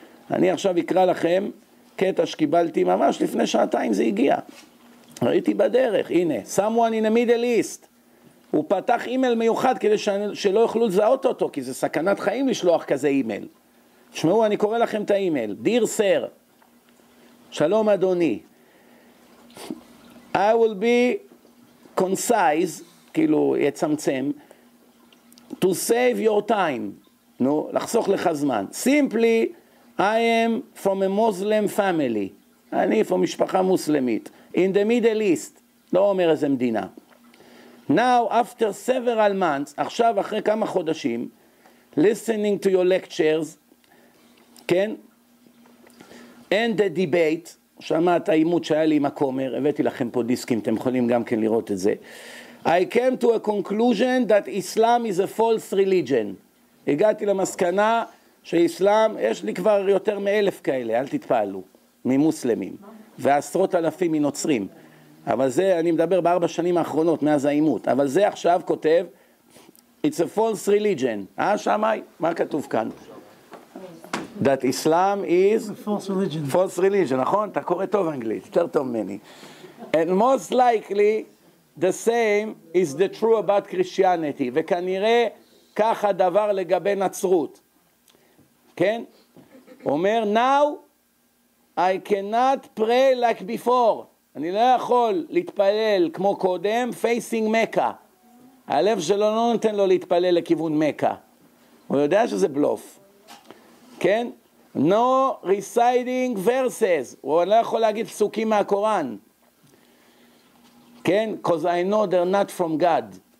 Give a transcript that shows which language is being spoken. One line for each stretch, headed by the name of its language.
Hebrew: אני עכשיו אקרא לכם קטע שקיבלתי ממש לפני שעתיים, זה הגיע, ראיתי בדרך, הנה,
English: someone in the middle east.
Hebrew: הוא פתח אימייל מיוחד כדי שלא יוכלו לזהות אותו, כי זה סכנת חיים לשלוח כזה אימייל. תשמעו, אני קורא לכם את האימייל.
English: Dear sir,
Hebrew: שלום אדוני.
English: I will be concise,
Hebrew: כאילו יצמצם,
English: to save your time.
Hebrew: נו, לחסוך לך זמן.
English: Simply, I am from a Muslim family.
Hebrew: אני from משפחה מוסלמית.
English: In the Middle East.
Hebrew: לא אומר איזה מדינה.
English: Now, after several months,
Hebrew: עכשיו אחרי כמה חודשים,
English: listening to your lectures, כן? And the debate,
Hebrew: שמעת האימות שהיה לי עם הכומר, הבאתי לכם פה דיסקים, אתם יכולים גם כן לראות את זה.
English: I came to a conclusion that Islam is a false religion.
Hebrew: הגעתי למסקנה שאיסלאם, יש לי כבר יותר מאלף כאלה, אל תתפעלו, ממוסלמים, ועשרות אלפים מנוצרים. אבל זה, אני מדבר בארבע שנים האחרונות, מאז האימות. אבל זה עכשיו כותב,
English: It's a false religion.
Hebrew: אה, שמי? מה כתוב כאן?
English: That Islam is... False religion. False religion,
Hebrew: נכון? אתה קורא טוב אנגלית, יותר טוב ממני.
English: And most likely, the same is the true about Christianity.
Hebrew: וכנראה, כך הדבר לגבי נצרות. כן? אומר,
English: Now, I cannot pray like before.
Hebrew: אני לא יכול להתפלל כמו קודם, facing מקה. הלב שלו לא נותן לו להתפלל לכיוון מקה. הוא יודע שזה בלוף. כן?
English: No reciting verses.
Hebrew: הוא לא יכול להגיד פסוקים מהקוראן. כן?
English: Because I know they're not from God.